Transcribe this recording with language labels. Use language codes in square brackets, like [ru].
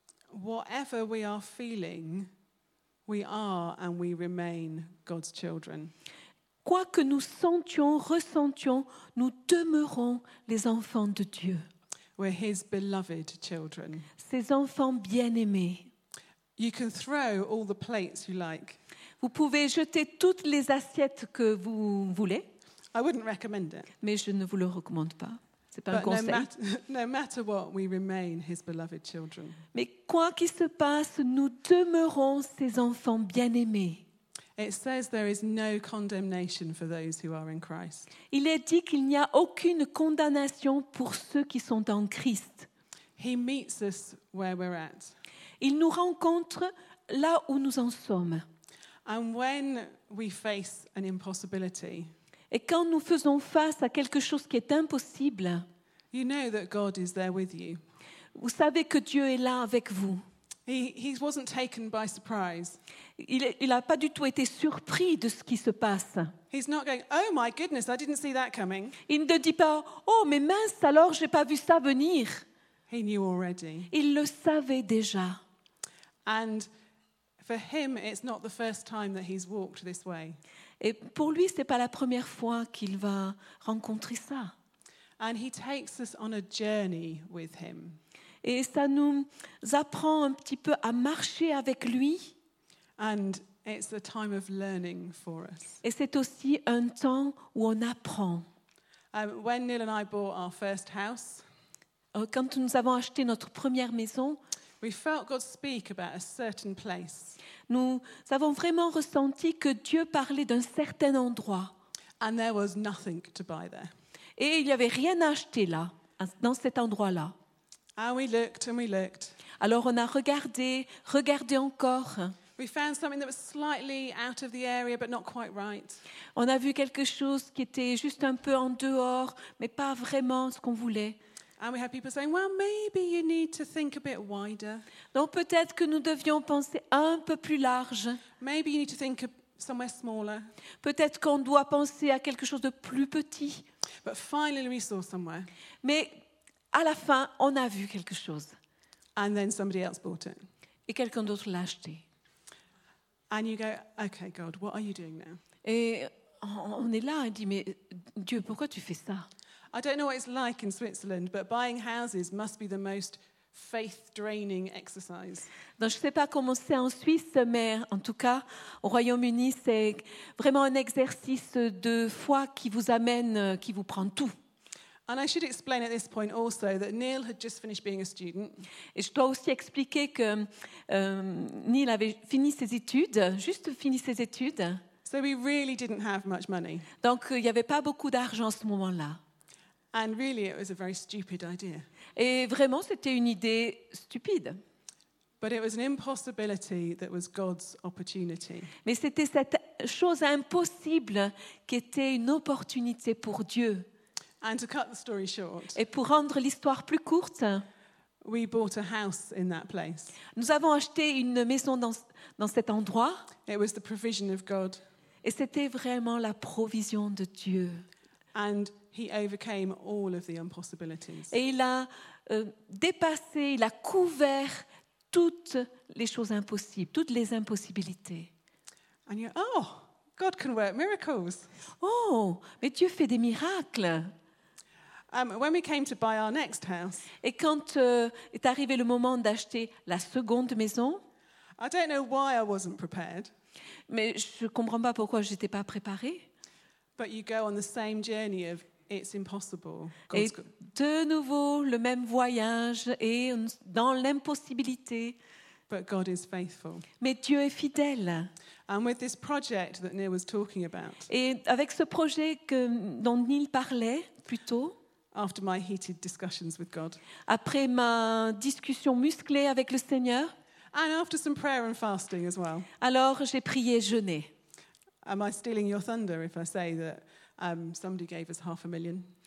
[en] Whatever we are feeling, we are and we remain God's children. [fr] Quoi que nous sentions, ressentions, nous demeurons les enfants de Dieu. [en] We're his beloved children. [fr] Ses enfants bien-aimés. [en] You can throw all the plates you like. [fr] Vous pouvez jeter toutes les assiettes que vous voulez. [en] I wouldn't recommend it. [fr] Mais je ne vous le recommande pas. C'est pas un conseil. [en] No matter what, we remain his beloved children. [fr] Mais quoi qu'il se passe, nous demeurons ses enfants bien-aimés. [en] It says there is no condemnation for those who are in Christ. [fr] Il est dit qu'il n'y a aucune condamnation pour ceux qui sont en Christ. [en] He meets us where we're at. [fr] Il nous rencontre là où nous en sommes. [en] And when we face an impossibility, [fr] et quand nous faisons face à quelque chose qui est impossible, [en] you know that God is there with you. [fr] Vous savez que Dieu est là avec vous. [en] He wasn't taken by surprise. [fr] Il n'a pas du tout été surpris de ce qui se passe. [en] He's not going, oh my goodness, I didn't see that coming. [fr] Il ne dit pas, oh mais mince, alors je n'ai pas vu ça venir. [en] He knew already. [fr] Il le savait déjà. [en] And for him, it's not the first time that he's walked this way. [fr] Et pour lui, ce n'est pas la première fois qu'il va rencontrer ça. [en] And he takes us on a journey with him. [fr] Et ça nous apprend un petit peu à marcher avec lui. [en] And it's a time of learning for us. [fr] Et c'est aussi un temps où on apprend. [en] When Neil and I bought our first house, [fr] quand nous avons acheté notre première maison, [en] we felt God speak about a certain place. [fr] Nous avons vraiment ressenti que Dieu parlait d'un certain endroit. [en] And there was nothing to buy there. [fr] Et il n'y avait rien à acheter là, dans cet endroit-là. [en] And we looked and we looked. [fr] Alors on a regardé, regardé encore. [en] We found something that was slightly out of the area, but not quite right. [fr] On a vu quelque chose qui était juste un peu en dehors, mais pas vraiment ce qu'on voulait. [en] And we had people saying, "Well, maybe you need to think a bit wider." [fr] Donc peut-être que nous devions penser un peu plus large. [en] Maybe you need to think somewhere smaller. [fr] Peut-être qu'on doit penser à quelque chose de plus petit. [en] But finally, we saw somewhere. [fr] Mais à la fin, on a vu quelque chose. [en] And then somebody else bought it. [fr] Et quelqu'un d'autre l'a acheté. [en] And you go, okay, God, what are you doing now? [fr] Et on est là et dit, mais Dieu, pourquoi tu fais ça? [en] I don't know what it's like in Switzerland, but buying houses must be the most faith-draining exercise. [fr] Donc je sais pas comment c'est en Suisse, mais en tout cas au Royaume-Uni, c'est vraiment un exercice de foi qui vous amène, qui vous prend tout. [en] And I should explain at this point also that Neil had just finished being a student. [fr] Et je dois aussi expliquer que Neil avait fini ses études, juste fini ses études. [en] So we really didn't have much money. [fr] Donc il n'y avait pas beaucoup d'argent à ce moment-là. [en] And really it was a very stupid idea. [fr] Et vraiment c'était une idée stupide. [en] But it was an impossibility that was God's opportunity. [fr] Mais c'était cette chose impossible qui était une opportunité pour Dieu. [en] And to cut the story short, [fr] et pour rendre l'histoire plus courte, [en] we bought a house in that place. [fr] Nous avons acheté une maison dans cet endroit. [en] It was the provision of God. [fr] Et c'était vraiment la provision de Dieu. [en] And he overcame all of the impossibilities. [fr] Et il a dépassé, il a couvert toutes les choses impossibles, toutes les impossibilités. [en] And you're, oh, God can work miracles. [fr] Oh, mais Dieu fait des miracles. [en] When we came to buy our next house, [fr] et quand est arrivé le moment d'acheter la seconde maison, [en] I don't know why I wasn't prepared. [fr] Mais je ne comprends pas pourquoi je n'étais pas préparée. [en] But you go on the same journey of it's impossible. [fr] Et de nouveau le même voyage et dans l'impossibilité. [en] But God is faithful. [fr] Mais Dieu est fidèle. [en] And with this project that Neil was talking about. [fr] Et avec ce projet que dont Neil parlait plus tôt. [en] After my heated discussions with God. [fr] Après ma discussion musclée avec le Seigneur. [en] And after some prayer and fasting as well. [fr] Alors j'ai prié et jeûné. [en] Am I stealing your thunder if I say that somebody gave us £500,000?